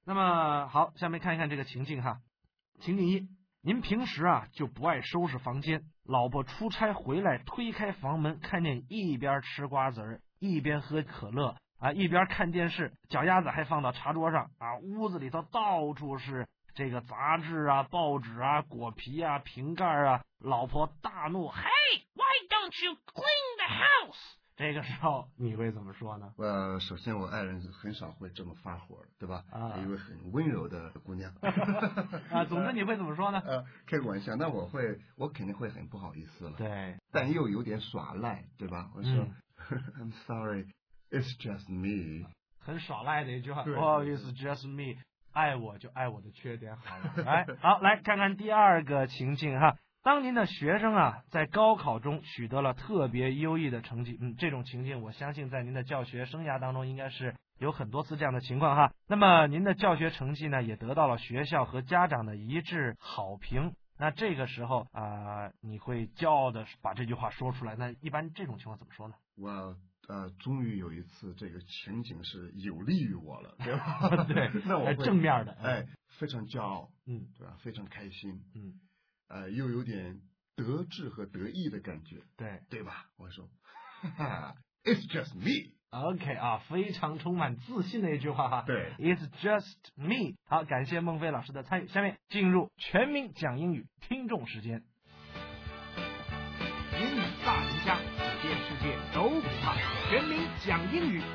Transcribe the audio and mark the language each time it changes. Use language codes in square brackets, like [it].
[zh] 那么好，下面看一看这个情境哈。情境一，您平时啊就不爱收拾房间，老婆出差回来推开房门，看见一边吃瓜子一边喝可乐啊，一边看电视，脚丫子还放到茶桌上啊，屋子里头到处是这个杂志啊、报纸啊、果皮啊、瓶盖啊，老婆大怒 ， [en] Hey, why don't you clean the house？ [zh] 这个时候你会怎么说呢？首先我爱人很少会这么发火，对吧？啊，一位很温柔的姑娘。啊，总之你会怎么说呢？开个玩笑，那我肯定会很不好意思了。对，但又有点耍赖，对吧？我说、 [en] I'm sorry, it's just me。 [zh] 很耍赖的一句话，不好意思 ， [en] just me。 [zh] 爱我就爱我的缺点好了。来，好，来看看第二个情境哈。当您的学生啊在高考中取得了特别优异的成绩，这种情境我相信在您的教学生涯当中应该是有很多次这样的情况哈。那么您的教学成绩呢也得到了学校和家长的一致好评，那这个时候你会骄傲的把这句话说出来，那一般这种情况怎么说呢？终于有一次这个情景是有利于我了，对吧？对，那我正面的，哎，非常骄傲，嗯，对吧？非常开心，嗯。又有点得志和得意的感觉，对，对吧？我说， [en] It's just me。 [zh] OK 啊，非常充满自信的一句话哈。对 [en] ，It's just me。 [zh] 好，感谢孟非老师的参与，下面进入全民讲英语听众时间。英语大赢家，走遍世界都不怕，全民讲英语，